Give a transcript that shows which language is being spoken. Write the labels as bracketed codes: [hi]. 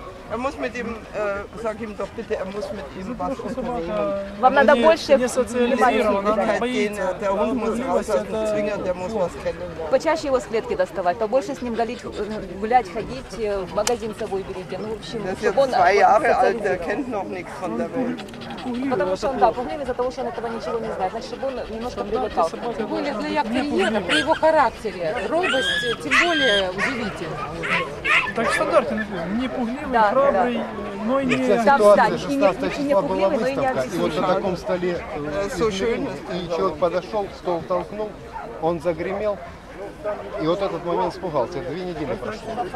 [de] Er muss mit ihm, sag ihm doch bitte, er muss mit ihm was unternehmen. [ru] Вам надо больше внимания. Он [de] muss aus dem Zwinger, der muss was kennenlernen. [ru] Почаще его с клетки доставать, побольше с ним гулять, ходить, в магазин с собой берите. Ну, в общем, [de] das ist jetzt zwei Jahre alt, der kennt noch nichts von der Welt. [ru] Потому что он, да, проблема из-за того, что он этого ничего не знает. Значит, чтобы он немножко привыкал. Тем более для Яковлевна, при его характере, робость, тем более удивительна. Так стандартный, не пугливый, да, храбрый, да. Но и не... Вся ситуация 16 числа была выставка, и вот на таком столе и человек подошел, стол толкнул, он загремел, и вот этот момент испугался, это 2 недели прошло.